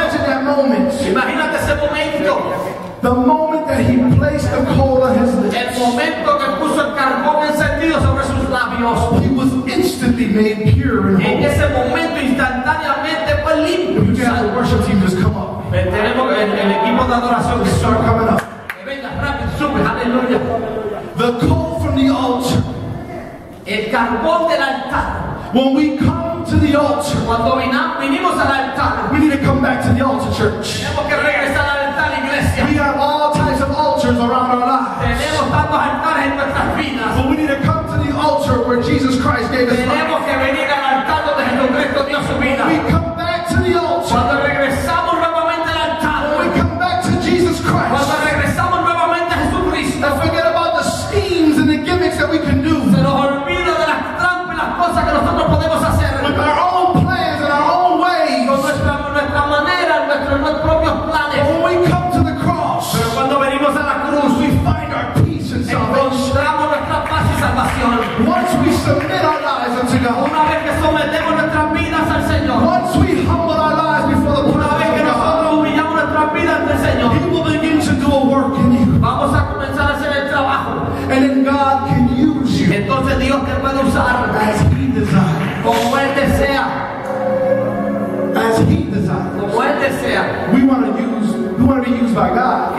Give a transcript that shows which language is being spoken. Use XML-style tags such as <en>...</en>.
<en>The moment that he placed the coal on his lips,</en> <es>el momento que puso el carbón encendido sobre sus labios,</es> <en>he was instantly made pure and holy.</en> <es>En ese momento instantáneamente fue limpio.</es> <en>You can have the worship team just come up.</en> <es>El equipo de adoración que</es> <en>start coming up.</en> <es>Venga rápido, sube, aleluya.</es> <en>The coal from the altar,</en> <es>el carbón del altar.</es> <en>When we come to the altar,</en> <es>cuando vinimos al altar,</es> <en>we need to come back to the altar, church.</en> <es>Tenemos que regresar al altar, iglesia.</es> <en>We have all types of altars around our lives.</en> <es>Tenemos tantos altares en nuestras vidas.</es> <en>But we need to come to the altar where Jesus Christ gave</en> <es>tenemos</es> <en>his life.</en> <es>Tenemos que venir al altar donde Jesucristo dio su vida.</es> <en>When we come back to the altar,</en> <es>cuando regresamos nuevamente al altar,</es> <en>when we come back to Jesus Christ,</en> <es>cuando regresamos nuevamente a Jesucristo,</es> <en>and forget about the schemes and the gimmicks that we can do.</en> <es>Se nos olvida de las trampas y las cosas que nosotros podemos hacer.</es> <en>With our own plans and our own ways.</en> <es>Con nuestra manera, nuestros propios planes.</es> <en>When we come to the cross,</en> <es>pero cuando venimos a la cruz,</es> <en>we find our peace and salvation.</en> <es>Encontramos nuestra paz y salvación.</es> <en>Once we submit our lives unto God.</en> <es>Una vez que sometemos nuestras vidas al Señor.</es> <en>Once we humble our lives before the presence of God.</en> <es>Una vez que nosotros humillamos nuestras vidas ante el Señor.</es> <en>He will begin to do a work in you.</en> <es>Vamos a comenzar a hacer el trabajo.</es> <en>And then God can use you.</en> <es>Entonces Dios te puede usar.</es> <en>As he desires.</en> <es>Como él desea.</es> <en>As he desires.</en> <es>Como él desea.</es> <en>We want to be used by God.</en>